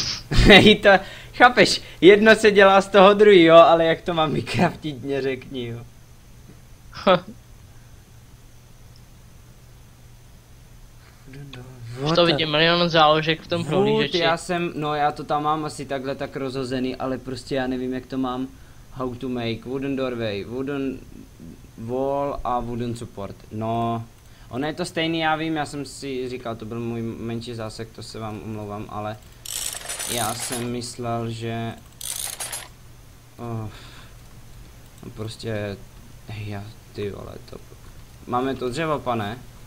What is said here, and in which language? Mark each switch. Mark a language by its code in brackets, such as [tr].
[cs] Hej, to, chápeš, jedno se dělá z toho druhého, ale jak to mám vycraftit, mě řekni, jo. Už to vidím, milion záložek v tom prohlížeči. Já jsem, no já to tam mám asi takhle tak rozhozený, ale prostě já nevím, jak to mám. [en] How to make wooden doorway, wooden wall a wooden support. [cs] No, ono je to stejný, já vím, já jsem si říkal, to byl můj menší zásek, to se vám omlouvám, ale já jsem myslel, že... prostě... Já, ty vole, to... Máme to dřevo, pane?